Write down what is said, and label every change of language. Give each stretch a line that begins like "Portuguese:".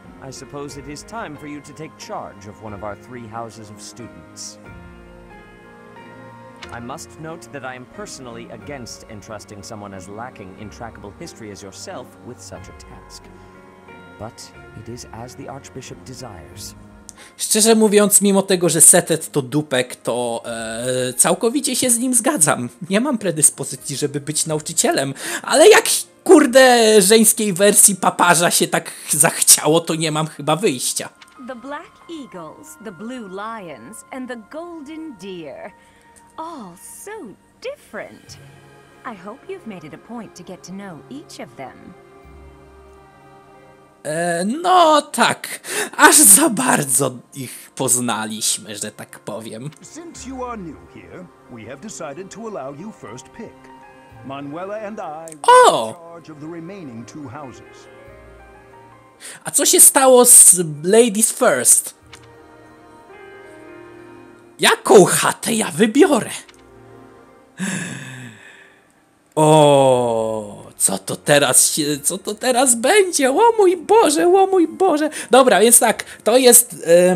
English: I suppose it is time for you to take charge of one of our three houses of students. I must note that I am personally against entrusting someone as lacking in trackable history as yourself with such a task. But it is as the Archbishop desires.
Polish: Szczerze mówiąc, mimo tego, że Setet to dupek, to całkowicie się z nim zgadzam. Nie mam predyspozycji, żeby być nauczycielem, ale jak kurde żeńskiej wersji papaża się tak zachciało, to nie mam chyba wyjścia.
English: The Black Eagles, the Blue Lions and the Golden Deer. All so different. I hope you've made it a point to get to know each of them.
Polish: No tak, aż za bardzo ich poznaliśmy, że tak powiem.
English: Since you are new here, we have decided to allow you first pick. Manuela and I are in charge of the remaining two houses.
Polish: A co się stało z
English: Ladies First?
Polish: Jaką chatę ja wybiorę? O. Co to teraz będzie? O mój Boże, o mój Boże. Dobra, więc tak, to jest